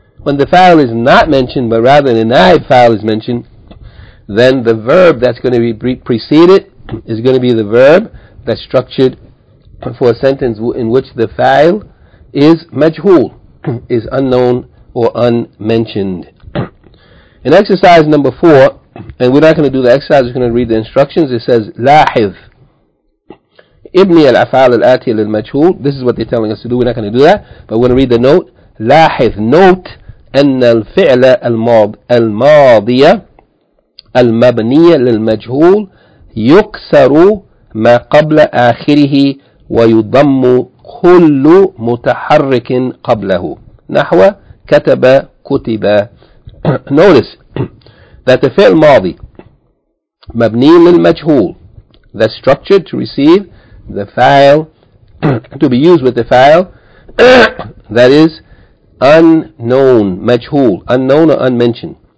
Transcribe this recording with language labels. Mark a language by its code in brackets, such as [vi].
[en] When the fa'il is not mentioned, but rather the naib fa'il is mentioned, then the verb that's going to be preceded is going to be the verb that's structured for a sentence in which the fa'il is majhul, is unknown or unmentioned. In exercise number 4, and we're not going to do the exercise, we're going to read the instructions. It says, [ar] لاحظ ابني الأفعال الآتية للمجهول. [en] This is what they're telling us to do. We're not going to do that. But we're going to read the note. [ar] لاحظ. [en] Note [ar] أن الفعل الماضية المبنية للمجهول يكسر ما قبل آخره ويضم كل متحرك قبله نحو كتب كتب. [en] Notice that the [ar] فعل ماضي مبني للمجهول, [en] that's structured to receive the fa'il, to be used with the fa'il that is unknown, majhul, unknown or unmentioned.